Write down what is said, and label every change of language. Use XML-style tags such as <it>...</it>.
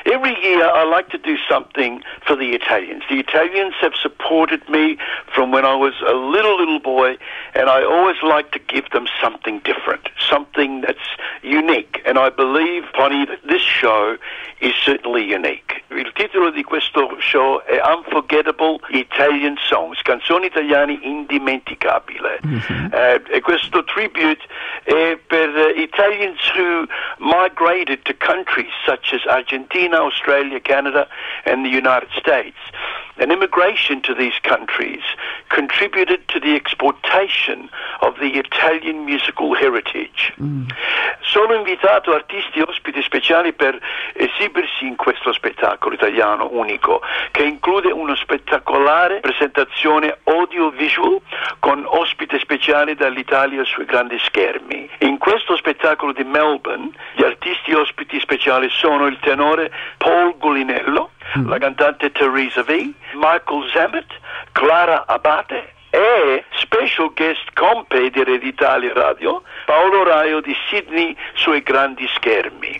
<en>Every year I like to do something for the Italians. The Italians have supported me from when I was a little boy and I always like to give them something different, something that's unique, and I believe, Pony, that this show is certainly unique.</en> <it>Il titolo di questo show è Unforgettable Italian Songs, canzoni italiane indimenticabili. E questo</it> <en>tribute</en> <it>è per</it> <en>Italians who migrated to countries such as Argentina, Australia, Canada, and the United States. And immigration to these countries contributed to the exportation of the Italian musical heritage.</en> <it>Sono invitato artisti ospiti speciali per esibirsi in questo spettacolo italiano unico, che include una spettacolare presentazione audiovisual con ospite speciale dall'Italia sui grandi schermi. In questo spettacolo di Melbourne, gli artisti ospiti speciali sono il tenore Paul Gulinello, la cantante Teresa V, Michael Zammit, Clara Abate e</it> <en>special guest</en> <it>compe di Rede Italia Radio, Paolo Raio di Sydney sui grandi schermi.</it>